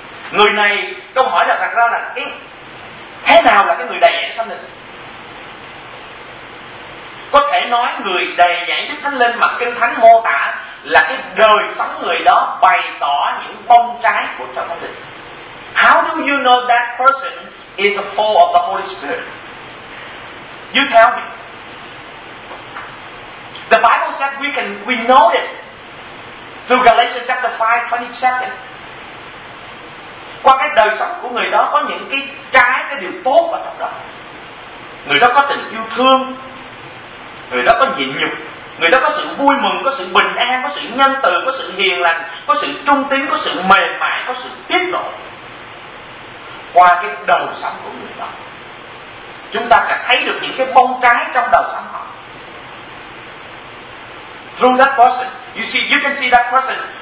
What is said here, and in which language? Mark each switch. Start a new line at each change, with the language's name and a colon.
Vietnamese: Người này, câu hỏi đặt ra là thế nào là cái người đầy dạy Đức Thánh Linh? Có thể nói người đầy dạy Đức Thánh Linh mà Kinh Thánh mô tả là cái đời sống người đó bày tỏ những bông trái của Trần Thánh Linh.
English: How do you know that person is a full of the Holy Spirit? You tell me. The Bible said we know it through Galatians chapter 5, 27.
Vietnamese: Qua cái đời sống của người đó có những cái trái, cái điều tốt ở trong đó. Người đó có tình yêu thương, người đó có nhịn nhục, người đó có sự vui mừng, có sự bình an, có sự nhân từ, có sự hiền lành, có sự trung tín, có sự mềm mại, có sự tiết độ. Qua cái đời sống của người đó, chúng ta sẽ thấy được những cái bông trái trong đời sống họ.
English: Through that person, you can see that person.